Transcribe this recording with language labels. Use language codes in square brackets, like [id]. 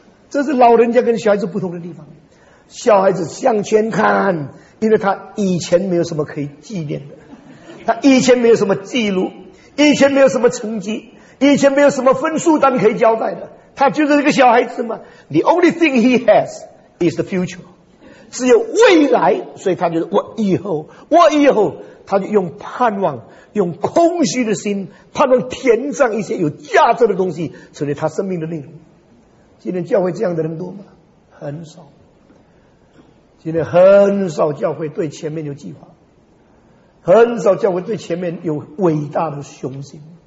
[zh] 这是老人家跟小孩子不同的地方。小孩子向前看，因为他以前没有什么可以纪念的，他以前没有什么记录，以前没有什么成绩，以前没有什么分数单可以交代的，他就是这个小孩子嘛。 [en] The only thing he has is the future， [zh] 只有未来。所以他就是我以后，他就用盼望，用空虚的心盼望填上一些有价值的东西，成为他生命的内容。今天教会这样的人多吗？很少。今天很少教会对前面有计划，很少教会对前面有伟大的雄心。